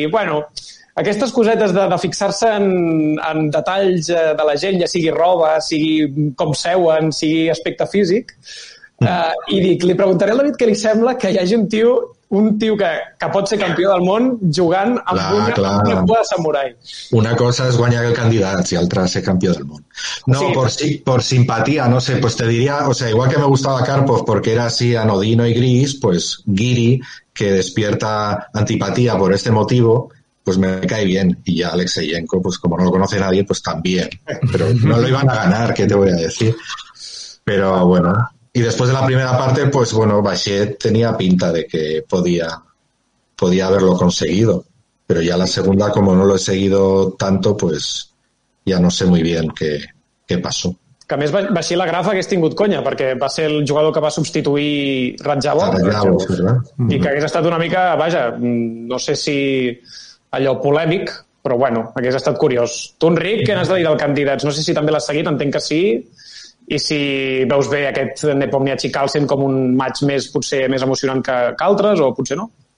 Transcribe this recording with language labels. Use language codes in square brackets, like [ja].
[ca] Bueno, aquestes cosetes de fixar-se en detalls de la gent, ja sigui roba, sigui com seuen, sigui aspecte físic, i dic, li preguntaré al David què li sembla que hi hagi un tio que pot ser campió del món jugant amb una cua de samurai. Una cosa és guanyar el candidat i l'altra ser campió del món. No, sí. [es] por simpatia, no sé, pues te diria, o sea, igual que me gustaba Karpov porque era así anodino y gris, pues Giri, que despierta antipatía por este motivo... pues me cae bien. Y ya Alexeyenko, pues como no lo conoce nadie, pues también. Pero no lo iban a ganar, ¿qué te voy a decir? Pero bueno, y después de la primera parte, pues bueno, Bachet tenía pinta de que podía haberlo conseguido. Pero ya la segunda, como no lo he seguido tanto, pues ya no sé muy bien [ca] què passo. Que a més va ser la grafa que has tingut conya, perquè va ser el jugador que va substituir Ratjavo. Ratjavo, és veritat. I que hagués estat una mica, vaja, no sé si allò polèmic, però bueno, hagués estat curiós. Tu, Enric, què n'has de dir del candidat? No sé si també l'has seguit, entenc que sí. I si veus bé aquest Nepomniachtchi Carlsen com un match més, potser més emocionant que altres, o potser no?